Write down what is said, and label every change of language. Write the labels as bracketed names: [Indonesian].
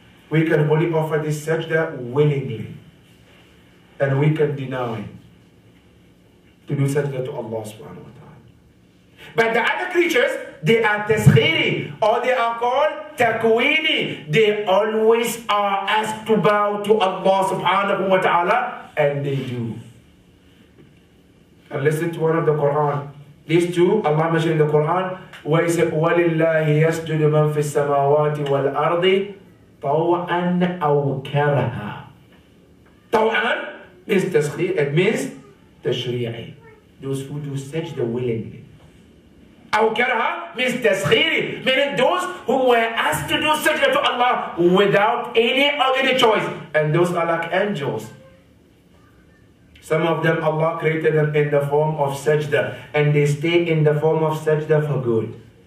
[English] We can only offer this sajda willingly. And we can deny to do sajda to Allah subhanahu wa ta'ala. But the other creatures, they are tasghiri, or they are called takwini. They always are asked to bow to Allah subhanahu wa ta'ala, and they do. And listen to one of the Quran. These two, Allah mentioned in the Quran, [Arabic] وَلِلَّهِ يَسْجُدُ مَنْ فِي السَّمَاوَاتِ وَالْأَرْضِ طَوْعًا أَوْ كَرْهًا. [English] طَوْعًا means tashri, it means tashri'i. Those who do sajda willingly. Awkaraha means tashkhiri, meaning those who were asked to do sajda to Allah without any other choice. And those are like angels. Some of them Allah created them in the form of sajda, and they stay in the form of sajda for good.